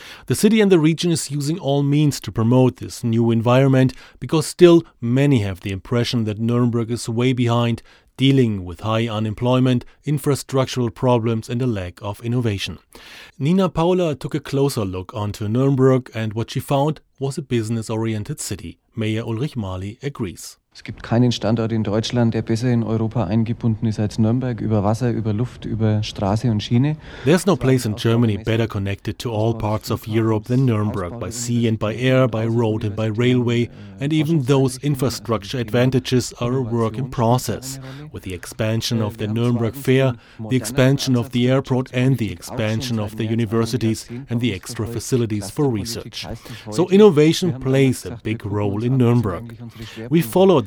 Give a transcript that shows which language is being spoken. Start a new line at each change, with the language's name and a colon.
English: The city and the region is using all means to promote this new environment because still many have the impression that Nuremberg is way behind, dealing with high unemployment, infrastructural problems and a lack of innovation. Nina Paula took a closer look onto Nuremberg and what she found was a business-oriented city. Mayor Ulrich Mali agrees.
German: Es gibt keinen Standort in Deutschland, der besser in Europa eingebunden ist als Nuremberg, über Wasser, über Luft, über Straße und Schiene.
English: There's no place in Germany better connected to all parts of Europe than Nuremberg, by sea and by air, by road and by railway. And even those infrastructure advantages are a work in process. With the expansion of the Nuremberg Fair, the expansion of the airport and the expansion of the universities and the extra facilities for research. So innovation plays a big role in Nuremberg. We followed